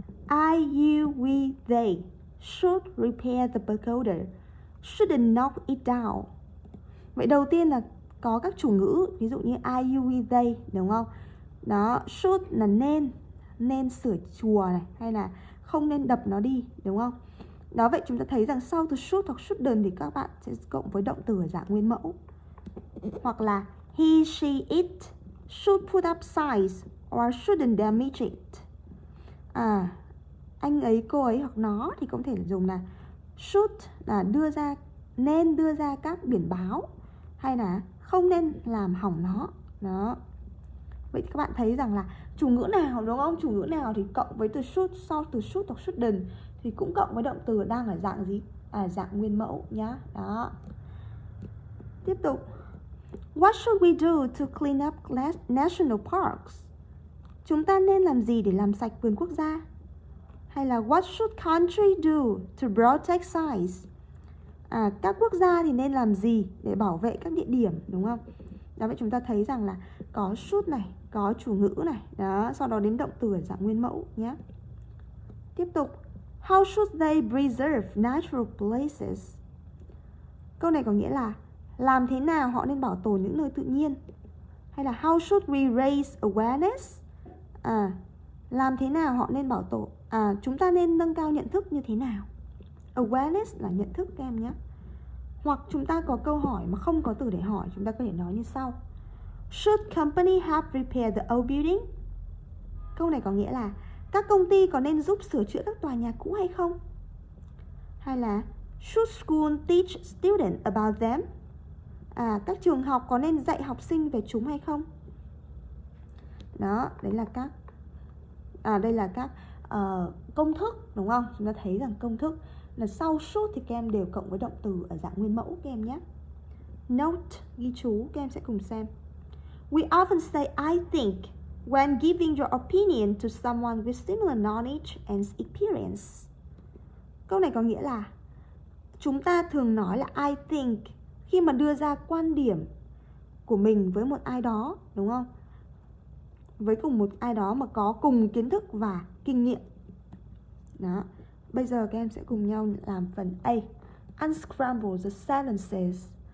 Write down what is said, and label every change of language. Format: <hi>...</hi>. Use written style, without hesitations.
<en>I, you, we, they should repair the pagoda. Shouldn't knock it down.</en> <vi>Vậy đầu tiên là có các chủ ngữ, ví dụ như I, you, we, they, đúng không? Đó, should là nên, nên sửa chùa này, hay là không nên đập nó đi, đúng không? Đó, vậy chúng ta thấy rằng sau từ should hoặc shouldn't thì các bạn sẽ cộng với động từ ở dạng nguyên mẫu. Hoặc là</vi> <en>he, she, it should put up signs or shouldn't damage it.</en> <vi>À, anh ấy, cô ấy hoặc nó thì cũng thể dùng là should là đưa ra, nên đưa ra các biển báo, hay là không nên làm hỏng nó. Đó. Vậy các bạn thấy rằng là chủ ngữ nào, đúng không? Chủ ngữ nào thì cộng với từ should, sau từ should hoặc shouldn't thì cũng cộng với động từ đang ở dạng gì? À, dạng nguyên mẫu nhá. Đó. Tiếp tục.</vi> <en>What should we do to clean up national parks?</en> <vi>Chúng ta nên làm gì để làm sạch vườn quốc gia? Hay là</vi> <en>what should country do to protect sites?</en> <vi>À, các quốc gia thì nên làm gì để bảo vệ các địa điểm, đúng không? Đó, vậy chúng ta thấy rằng là có should này, có chủ ngữ này. Đó, sau đó đến động từ ở dạng nguyên mẫu nhé. Tiếp tục.</vi> <en>How should they preserve natural places?</en> <vi>Câu này có nghĩa là làm thế nào họ nên bảo tồn những nơi tự nhiên? Hay là</vi> <en>how should we raise awareness?</en> <vi>À, làm thế nào họ nên bảo tồn? À, chúng ta nên nâng cao nhận thức như thế nào? Awareness là nhận thức các em nhé. Hoặc chúng ta có câu hỏi mà không có từ để hỏi, chúng ta có thể nói như sau.</vi> <en>Should company have repaired the old building?</en> <vi>Câu này có nghĩa là các công ty có nên giúp sửa chữa các tòa nhà cũ hay không? Hay là</vi> <en>should school teach students about them?</en> <vi>À, các trường học có nên dạy học sinh về chúng hay không? Đó, đấy là các công thức, đúng không? Chúng ta thấy rằng công thức là sau should thì các em đều cộng với động từ ở dạng nguyên mẫu các em nhé. Note, ghi chú, các em sẽ cùng xem.</vi> <en>We often say I think when giving your opinion to someone with similar knowledge and experience.</en> <vi>Câu này có nghĩa là chúng ta thường nói là</vi> <en>I think</en> <vi>khi mà đưa ra quan điểm của mình với một ai đó, đúng không? Với cùng một ai đó mà có cùng kiến thức và kinh nghiệm. Đó. Bây giờ các em sẽ cùng nhau làm phần A.</vi> <en>Unscramble the sentences.</en>